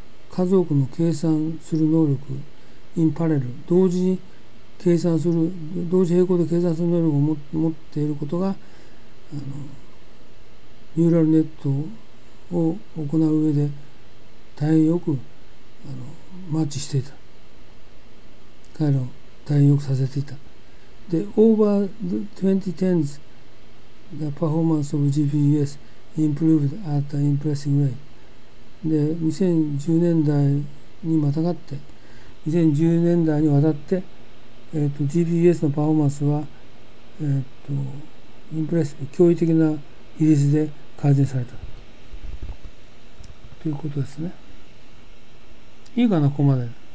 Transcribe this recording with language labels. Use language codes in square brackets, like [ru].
[ja] 数多くの計算する能力、インパレル、同時に計算する、同時並行で計算する能力を持っていることが、ニューラルネットを行う上で、大変よく、マッチしていた。彼らを大変よくさせていた。 [en] で、over the 2010s, the performance of GPUS improved at an impressive rate. [ja] で、2010年代にまたがって、2010年代にわたって、GPUS のパフォーマンスは、インプレッシブ、驚異的な比率で改善された。ということですね。いいかな、ここまで。